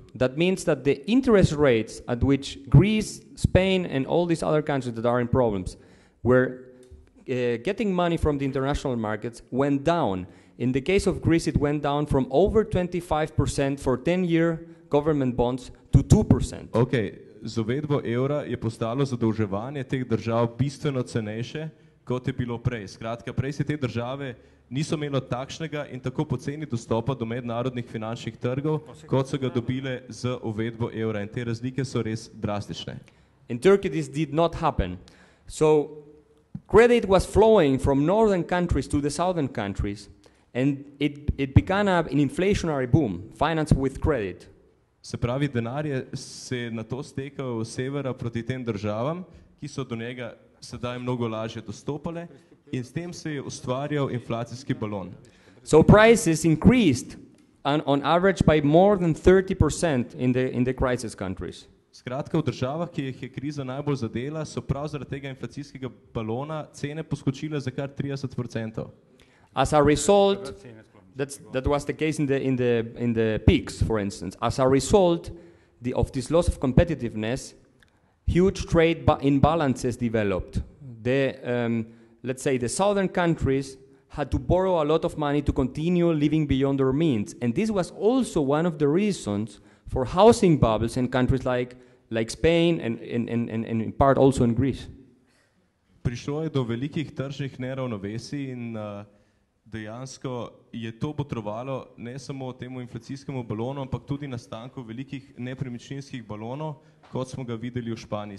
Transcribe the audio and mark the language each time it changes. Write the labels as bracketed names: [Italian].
[English] That means that the interest rates at which Greece, Spain, and all these other countries that are in problems were getting money from the international markets went down. In the case of Greece, it went down from over 25% for 10-year government bonds to 2%. [Slovenian] Okay, z uvedbo evra je postalo zadolževanje teh držav bistveno cenejše, kot je bilo prej. Skratka, prej se te države niso imelo takšnega in tako poceni dostopa do mednarodnih finančnih trgov, kot so ga dobile z uvedbo evra. In te razlike so res drastične. [English] In Turkey, this did not happen. So, credit was flowing from northern countries to the southern countries, and it began an inflationary boom, financed with credit. [Slovenian] Se pravi, denar je se na to stekal z severa proti tem državam, ki so do njega sedaj mnogo lažje dostopale, in s tem se je ustvarjal inflacijski balon. [English] So prices increased on average by more than 30% in the crisis countries. [Slovenian] Skratka, v državah, ki jih je kriza najbolj zadela, so prav zaradi tega inflacijskega balona cene poskočile za kar 30%. [English] As a result, that was the case in the peaks, for instance. As a result, of this loss of competitiveness, huge trade imbalances developed. The southern countries had to borrow a lot of money to continue living beyond their means, and this was also one of the reasons for housing bubbles in countries like Spain and in part also in Greece. [Slovenian] Prišlo je do velikih tržnih neravnovesij in dejansko je to botrovalo ne samo temu inflacijskemu balonu, ampak tudi nastanku velikih nepremičninskih balonov, kot smo ga videli v Španiji.